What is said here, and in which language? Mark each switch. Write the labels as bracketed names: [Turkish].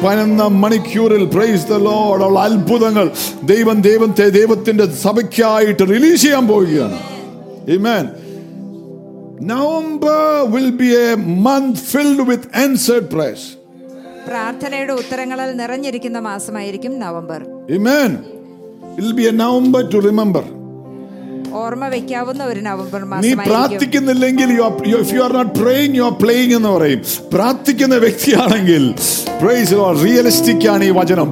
[Malayalam] 11 മണിക്കൂറിൽ, [English] praise the Lord, [Malayalam] ഉള്ള അത്ഭുതങ്ങൾ ദൈവം ദൈവത്തെ ദൈവത്തിന്റെ സഭയ്ക്കായിട്ട് റിലീസ് ചെയ്യാൻ പോവുകയാണ്. [English] Amen. November will be a month filled with answered prayers. [Malayalam] പ്രാർത്ഥനയുടെ ഉത്തരങ്ങളാൽ നിറഞ്ഞിരിക്കുന്ന മാസമായിരിക്കും November. [English] Amen. It will be a November to remember. [Malayalam] ഓർമ്മ വെക്കാവുന്ന ഒരു നവംബർ മാസമായിരിക്കും. നീ പ്രാർത്ഥിക്കുന്നില്ലെങ്കിൽ, [English] if you are not praying, you are playing [Malayalam] എന്ന് പറയും. പ്രാർത്ഥിക്കുന്ന വ്യക്തിയാണെങ്കിൽ, [English] praise the Lord, [Malayalam] realistic ആണ് ഈ വചനം.